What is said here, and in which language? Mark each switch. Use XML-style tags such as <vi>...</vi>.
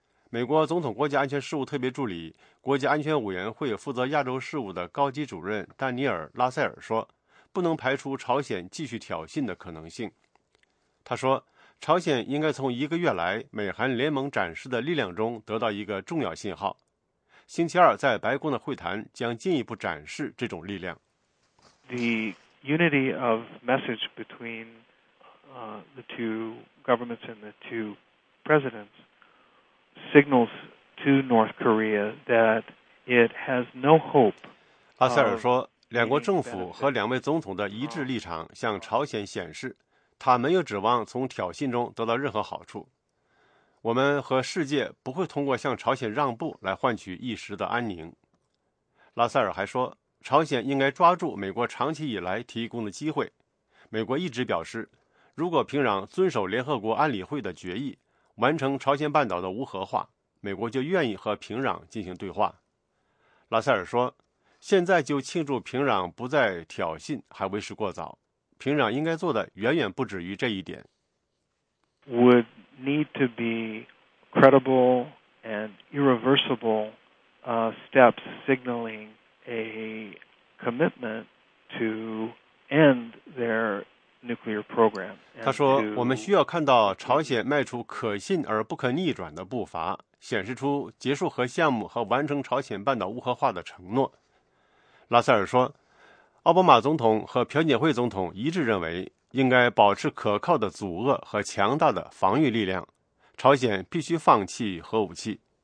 <zh>美国总统国家安全事务特别助理、国家安全委员会负责亚洲事务的高级主任丹尼尔·拉塞尔说，不能排除朝鲜继续挑衅的可能性。他说，朝鲜应该从一个月来美韩联盟展示的力量中得到一个重要信号，星期二在白宫的会谈将进一步展示这种力量。</zh> <en>The unity of message between the two governments and the two presidentssignals to North Korea that it has no hope.</en> <zh>拉塞尔说，两国政府和两位总统的一致立场向朝鲜显示，他没有指望从挑衅中得到任何好处。我们和世界不会通过向朝鲜让步来换取一时的安宁。拉塞尔还说，朝鲜应该抓住美国长期以来提供的机会。美国一直表示，如果平壤遵守联合国安理会的决议，完成朝鲜半岛的无核化，美国就愿意和平壤进行对话。拉塞尔说，现在就庆祝平壤不再挑衅还为时过早，平壤应该做的远远不止于这一点。</zh> <en>Would need to be credible and irreversible steps signaling a commitment to end their nuclear program.</en> <zh>他说，我们需要看到朝鲜迈出可信而不可逆转的步伐，显示出结束核项目和完成朝鲜半岛无核化的承诺。拉塞尔说，奥巴马总统和朴槿惠总统一致认为，应该保持可靠的阻遏和强大的防御力量，朝鲜必须放弃核武器。</zh>